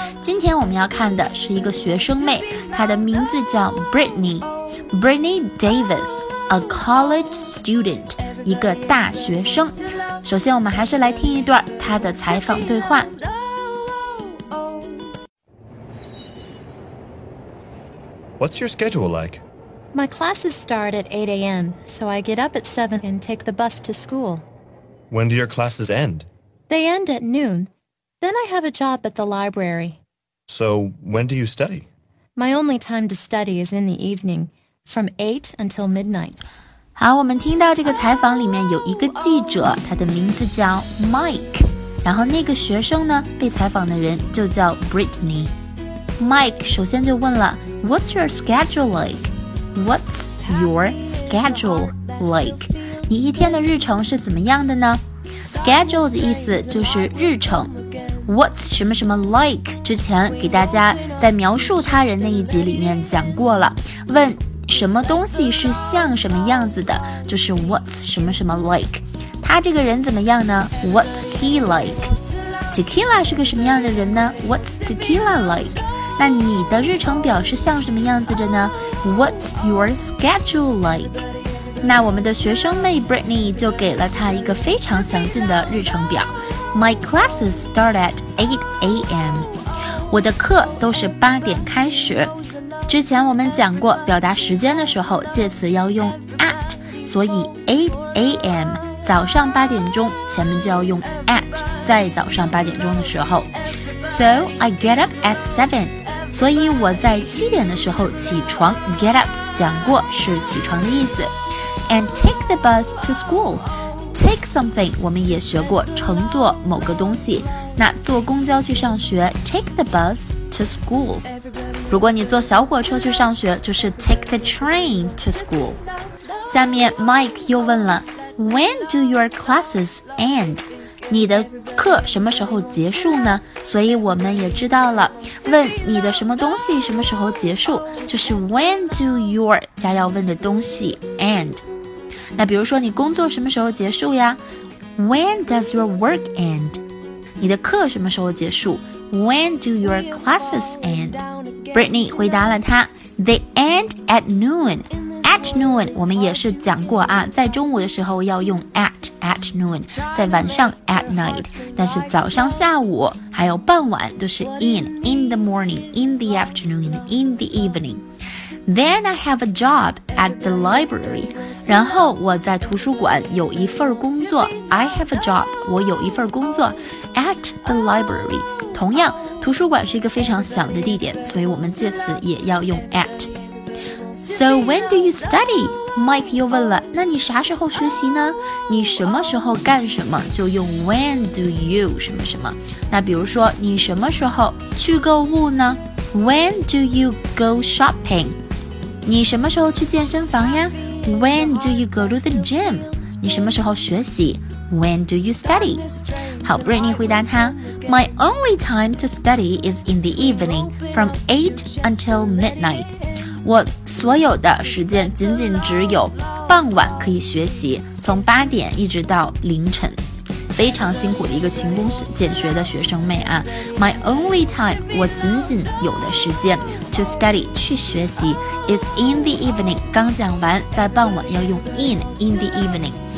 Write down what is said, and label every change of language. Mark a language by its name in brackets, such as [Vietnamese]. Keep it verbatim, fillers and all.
[Chinese] 今天我们要看的是一个学生妹，她的名字叫 Brittany Brittany Davis, [English] a college student, [Chinese] 一个大学生。首先我们还是来听一段她的采访对话。 [English] What's your schedule like? My classes start at eight a.m., so I get up at seven and take the bus to school. When do your classes end? They end at noon. Then I have a job at the library. So when do you study? My only time to study is in the evening, from eight until midnight. [Chinese] 好，我们听到这个采访里面有一个记者，他的名字叫 Mike， 然后那个学生呢，被采访的人就叫 Brittany。 [English] Mike [Chinese] 首先就问了 [English] What's your schedule like? What's your schedule like? [Chinese] 你一天的日程是怎么样的呢？Schedule 的意思就是日程。 What's 什么什么 like 之前给大家在描述他人那一集里面讲过了，问什么东西是像什么样子的，就是 What's 什么什么 like。他这个人怎么样呢？ [English] What's he like? [Chinese] Tequila 是个什么样的人呢？ [English] What's Tequila like? [Chinese] 那你的日程表是像什么样子的呢？ [English] What's your schedule like? [Chinese] 那我们的学生妹 Brittany 就给了她一个非常详尽的日程表。 [English] My classes start at eight a.m. [Chinese] 我的课都是八点开始。之前我们讲过表达时间的时候介词要用 at， 所以 eight a.m. 早上八点钟前面就要用 at， 在早上八点钟的时候。 [English] So I get up at seven， [Chinese] 所以我在七点的时候起床。 Get up 讲过是起床的意思。 [English] And take the bus to school. [Chinese] Take something 我们也学过，乘坐某个东西。那坐公交去上学 [English] take the bus to school. [Chinese] 如果你坐小火车去上学，就是 [English] take the train to school. 下面 Mike [Chinese] 又问了 [English] When do your classes end? [Chinese] 你的课什么时候结束呢？所以我们也知道了，问你的什么东西什么时候结束，就是 When do your 加要问的东西 end。那比如说你工作什么时候结束呀？ [English] When does your work end? [Chinese] 你的课什么时候结束？ [English] When do your classes end? Brittany [Chinese] 回答了他 [English] They end at noon. [Chinese] At noon 我们也是讲过啊，在中午的时候要用 at at noon， 在晚上 at night， 但是早上下午还有傍晚都是 [English] in in the morning, in the afternoon, in the evening. Then I have a job at the library. [Chinese] 然后我在图书馆有一份工作。 [English] I have a job [Chinese] 我有一份工作 [English] at the library. [Chinese] 同样图书馆是一个非常小的地点，所以我们介词也要用 at。 [English] So when do you study? [Chinese] Mike 又问了，那你啥时候学习呢？你什么时候干什么就用 When do you 什么什么。那比如说你什么时候去购物呢？ [English] When do you go shopping? [Chinese] 你什么时候去健身房呀？ [English] When do you go to the gym? [Chinese] 你什么时候学习？ [English] When do you study? 好 Brittany [Chinese] 回答他 [English] My only time to study is in the evening, from eight until midnight. [Chinese] 我所有的时间仅仅只有傍晚可以学习，从八点一直到凌晨。非常辛苦的一个勤工俭学的学生妹啊 [English] My only time [Chinese] 我仅仅有的时间 [English] to study [Chinese] 去学习 [English] is in the evening [Chinese] 刚讲完，在傍晚要用 in in the evening.